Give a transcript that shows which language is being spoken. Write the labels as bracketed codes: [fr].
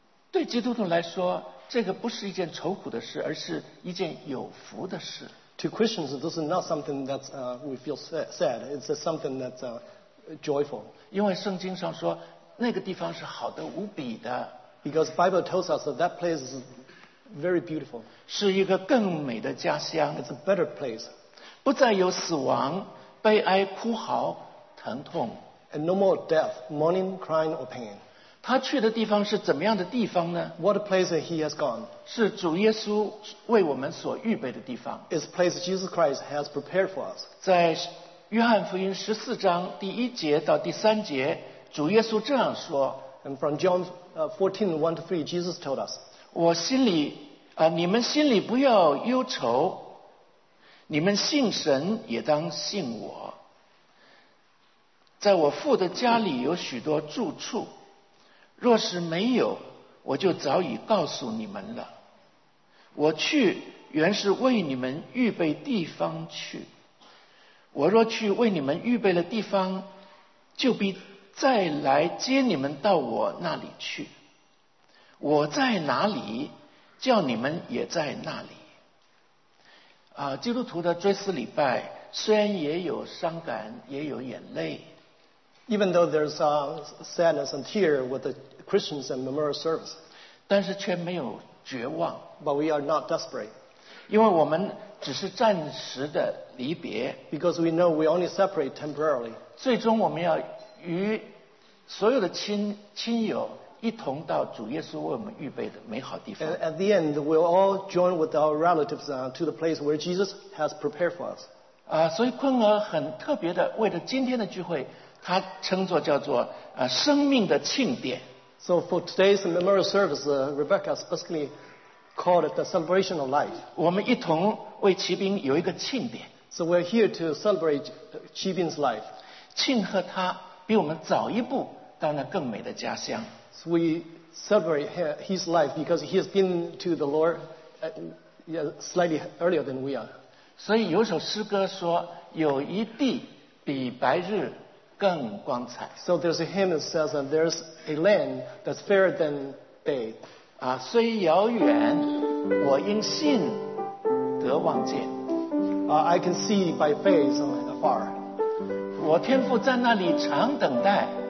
[zh] 对基督徒来说，这个不是一件愁苦的事，而是一件有福的事。 [en] To Christians, this is not something that we feel sad. It's something that's joyful. [zh] 因为圣经上说，那个地方是好得无比的。 [en] Because the Bible tells us that that place is very beautiful. [zh] 是一个更美的家乡。 [en] It's a better place. [zh] 不再有死亡、悲哀、哭嚎、疼痛。 [en] And no more death, mourning, crying, or pain. [zh] 他去的地方是怎么样的地方呢？ [en] What place he has gone? [zh] 是主耶稣为我们所预备的地方。 [en] It's a place Jesus Christ has prepared for us. [zh] 在约翰福音14章第一节到第三节，主耶稣这样说。 [en] And from John 14:1-3, Jesus told us. [zh] 我心里你们心里不要忧愁，你们信神也当信我。在我父的家里有许多住处，若是没有，我就早已告诉你们了。我去原是为你们预备地方去，我若去为你们预备了地方，就必再来接你们到我那里去。我在哪里，叫你们也在那里。基督徒的追思礼拜虽然也有伤感，也有眼泪。 [en] Even though there's sadness and tear with the Christians and memorial service. [zh] 但是却没有绝望。 [en] But we are not desperate. [zh] 因为我们只是暂时的离别。 [en] Because we know we only separate temporarily. [zh] 最终我们要与所有的亲友一同到主耶稣为我们预备的美好地方。 [en] At the end, we'll all join with our relatives to the place where Jesus has prepared for us. [zh] 所以昆儿很特别的为了今天的聚会，他称作叫做生命的庆典。 [en] So for today's memorial service, Rebecca specifically called it the celebration of life. [zh] 我们一同为骑兵有一个庆典。 [en] So we're here to celebrate 骑兵's life. [zh] 庆贺他比我们早一步到那更美的家乡。 [en] So we celebrate his life because he has been to the Lord slightly earlier than we are. [zh] 所以有首诗歌说，有一地比白日更光彩。 [en] So there's a hymn that says that there's a land that's fairer than day. [zh] 虽遥远，我因信得望见。 [en] I can see by faith afar. [zh] 我天父在那里常等待。